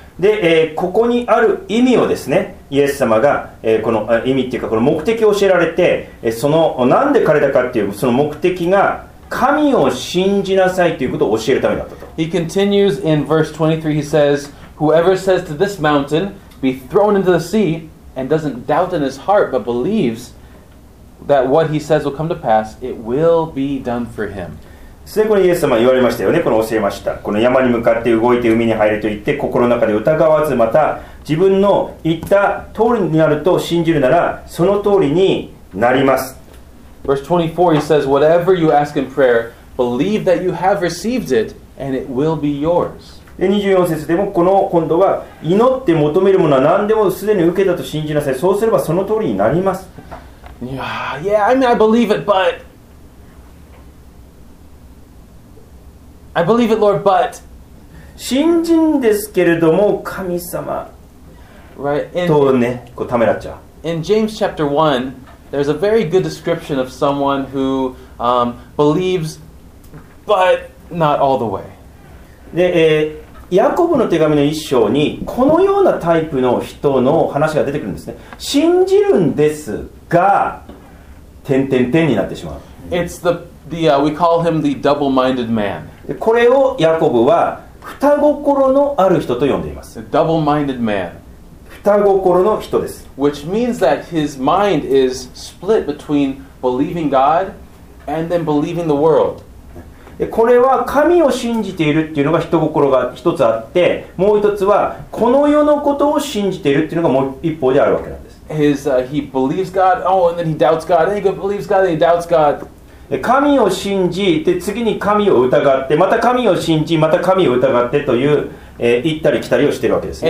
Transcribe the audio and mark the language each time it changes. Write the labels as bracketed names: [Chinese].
[Japanese] で、ここにある意味をですね、イエス様が、この意味っていうかこの目的を教えられて、そのなんで枯れたかっていうその目的が神を信じなさいということを教えるためだったと。 [English] He continues in verse 23. He says, "Whoever says to this mountain, 'Be thrown into the sea,' and doesn't doubt in his heart, but believes." That what he says will come to pass, it will be done for him. [Japanese] そしてこのイエス様は言われましたよね。この教えました。この山に向かって動いて海に入れと言って、心の中で疑わず、また自分の言った通りになると信じるなら、その通りになります。 [English] Verse 24, he says, Whatever you ask in prayer, believe that you have received it, and it will be yours. [Japanese] で24節でもこの今度は、祈って求めるものは何でもすでに受けたと信じなさい。そうすればその通りになります。 [English] Yeah, I mean, I believe it, Lord, but [Japanese] 信じんですけれども神様、 [English] right? [Japanese] とね、こうためらっちゃう。 [English] In James chapter 1, there's a very good description of someone who believes, but not all the way. [Japanese] で、ヤコブの手紙の一章にこのようなタイプの人の話が出てくるんですね。信じるんですが、点点点になってしまう。 [English] It's the we call him the double-minded man. [Japanese] これをヤコブは双心のある人と呼んでいます。 [English] The double-minded man. [Japanese] 双心の人です。 [English] Which means that his mind is split between believing God and then believing the world. [Japanese] これは神を信じているっていうのが人心が一つあって、もう一つはこの世のことを信じているっていうのがもう一方であるわけなんです。 [English] He believes God, oh, and then he doubts God, and he believes God, and he doubts God. [Japanese] 神を信じ、で次に神を疑って、また神を信じ、また神を疑ってという行ったり来たりをしているわけですね。